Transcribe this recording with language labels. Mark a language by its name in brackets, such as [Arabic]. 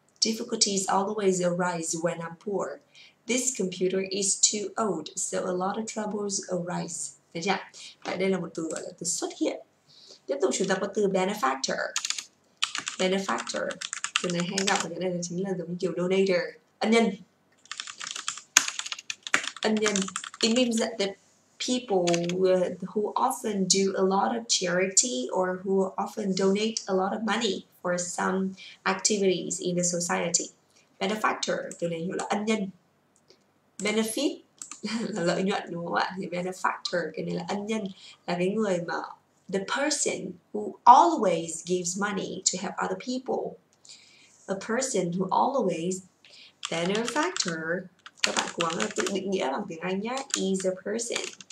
[English] Difficulties always arise when I'm poor. This computer is too old, so a lot of troubles arise. [Vietnamese] Được chưa? Vậy đây là một từ gọi là từ xuất hiện. Tiếp tục chúng ta có từ benefactor. Benefactor. Từ này hay gặp ở cái này là chính là giống như kiểu donator. Ân nhân. Ân nhân. [English] It means that the people who often do a lot of charity or who often donate a lot of money or some activities in the society. [Vietnamese] Benefactor, từ này hiểu là ân nhân. Benefit là lợi nhuận, đúng không ạ? Thì benefactor, cái này là ân nhân, là cái người mà [English] the person who always gives money to help other people. A person who always benefactor, [Vietnamese] các bạn cố gắng tự định nghĩa bằng tiếng Anh nhé, [English] is a person